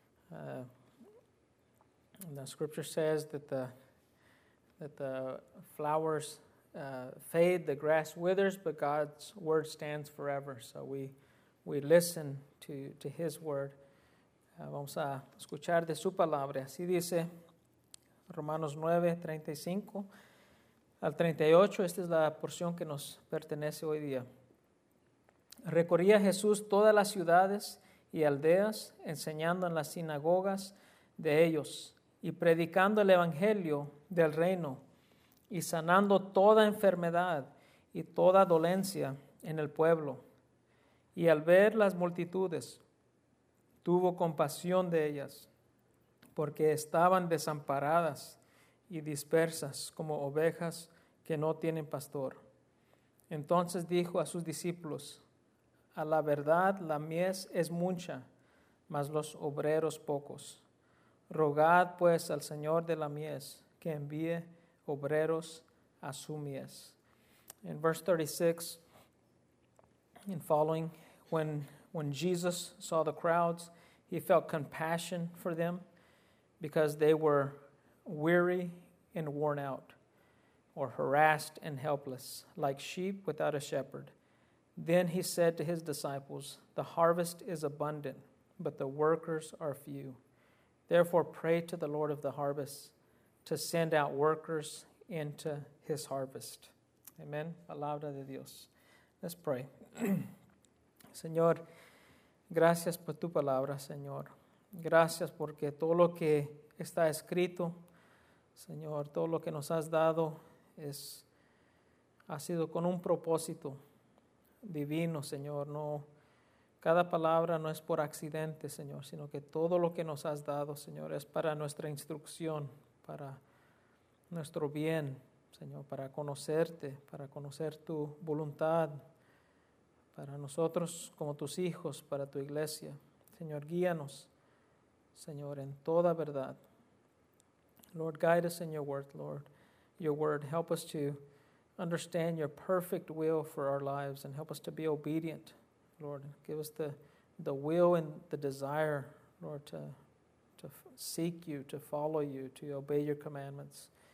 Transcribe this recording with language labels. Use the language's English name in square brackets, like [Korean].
[English] And the scripture says that the flowers fade, the grass withers, but God's word stands forever. So we listen to his word. [Spanish] Vamos a escuchar de su palabra. Así dice Romanos 9, 35 al 38. Esta es la porción que nos pertenece hoy día. Recorría Jesús todas las ciudades y aldeas, enseñando en las sinagogas de ellos y predicando el evangelio del reino, y sanando toda enfermedad y toda dolencia en el pueblo. Y al ver las multitudes, tuvo compasión de ellas, porque estaban desamparadas y dispersas como ovejas que no tienen pastor. Entonces dijo a sus discípulos, a la verdad la mies es mucha, mas los obreros pocos. Rogad pues al Señor de la mies que envíe obreros a su mies. [English] In verse 36 and following, when Jesus saw the crowds, he felt compassion for them because they were weary and worn out, or harassed and helpless, like sheep without a shepherd. Then he said to his disciples, the harvest is abundant, but the workers are few. Therefore, pray to the Lord of the harvest to send out workers into his harvest. [Spanish] Amen. Palabra de Dios. [English] Let's pray. [Spanish] Señor, gracias por tu palabra, Señor. Gracias porque todo lo que está escrito, Señor, todo lo que nos has dado ha sido con un propósito divino, Señor. No, cada palabra no es por accidente, Señor, sino que todo lo que nos has dado, Señor, es para nuestra instrucción, para nuestro bien, Señor, para conocerte, para conocer tu voluntad, para nosotros como tus hijos, para tu iglesia. Señor, guíanos, Señor, en toda verdad. [English] Lord, guide us in your word, Lord. Your word, help us to understand your perfect will for our lives and help us to be obedient, Lord. Give us the will and the desire, Lord, to seek you, to follow you, to obey your commandments.